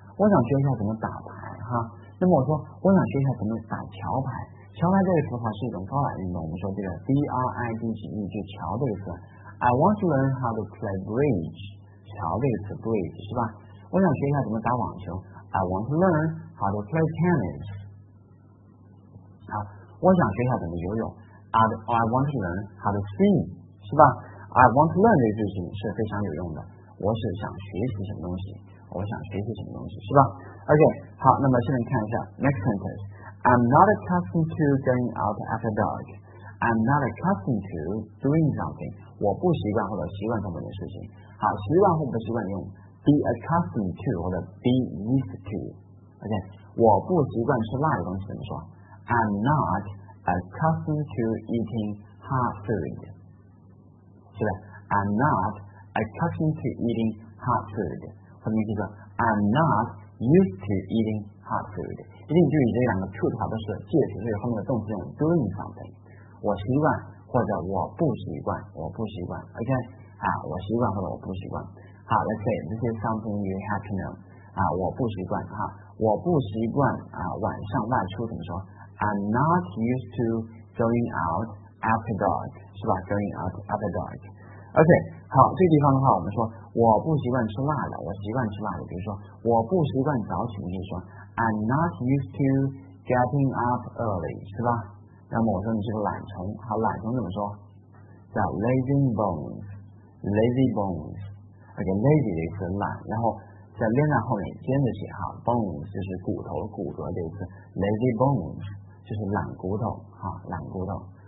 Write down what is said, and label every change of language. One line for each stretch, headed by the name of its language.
Chinese: 我想学一下怎么打牌哈。那么我说我想学一下怎么打桥牌。桥牌这个词的话是一种高矮运动，我们说这个 B R I D G E 就桥这个词。
English: I want to learn how to play bridge，
Chinese: 桥这个词
English: bridge
Chinese: 是吧？我想学一下怎么打网球。
English: I want to learn how to play tennis。
Chinese: 好，我想学一下怎么游泳。
English: I want to learn how to swim，
Chinese: 是吧
English: ？I want to learn
Chinese: 这个句型是非常有用的。我是想学习什么东西，我想学习什么东西，是吧 ？OK， 好，那么下面看一下
English: next sentence。 I'm not accustomed to going out after dark. I'm not accustomed to doing something.
Chinese: 我不习惯或者习惯做某件事情。好，习惯或不习惯用
English: be accustomed to
Chinese: 或者
English: be used to.
Chinese: OK, 我不习惯吃辣的东西怎么说？
English: I'm not accustomed to eating hot food.
Chinese: 是的，
English: I'm not accustomed to eating hot food.
Chinese: 后面就说
English: I'm not used to eating hot food.
Chinese: 一定注意这两个 to 的话都是介词，所以后面的动词用 doing something。我习惯或者我不习惯，我不习惯。 OK 啊，我习惯或者我不习惯。好
English: ，Let's say this is something you have to know。
Chinese: 啊，我不习惯哈、啊，我不习惯啊，晚上外出怎么说
English: ？I'm not used to going out after dark，
Chinese: 是吧
English: ？Going out after dark。
Chinese: OK， 好，这个地方的话，我们说我不习惯吃辣的，我习惯吃辣的。比如说，我不习惯早起，就是说。
English: I'm not used to getting up early,
Chinese: 是吧？那么我说你是个懒虫，好，懒虫怎么说？叫
English: lazy bones, lazy bones.
Chinese: OK, lazy 的意思懒，然后在连在后面尖着写哈 ，bones 就是骨头、骨骼的意思 ，lazy bones 就是懒骨头哈，懒骨头。